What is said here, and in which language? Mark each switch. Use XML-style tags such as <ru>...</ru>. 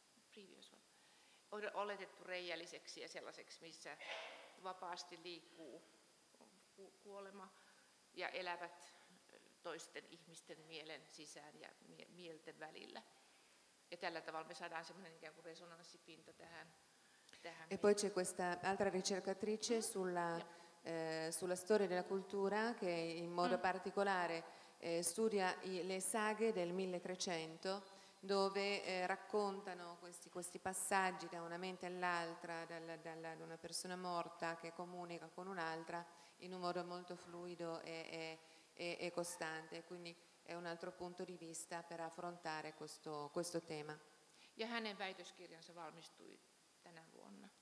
<en>Previous one.</en> <fi>Oletettu reijälliseksi ja sellaiseksi, missä vapaasti liikkuu kuolema ja elävät toisten ihmisten mielen sisään ja mielten välillä. Ja tällä tavalla me saadaan sellainen ikään kuin resonanssipinta tähän.</fi> <it>E poi c'è questa altra ricercatrice sulla storia della cultura che in modo particolare studia le saghe del 1300 dove raccontano questi passaggi da una mente all'altra, da una persona morta che comunica con un'altra in un modo molto fluido e costante, quindi è un altro punto di vista per affrontare questo tema.</it> <fi>Ja hänen väitöskirjansa valmistui tänä vuonna.</fi>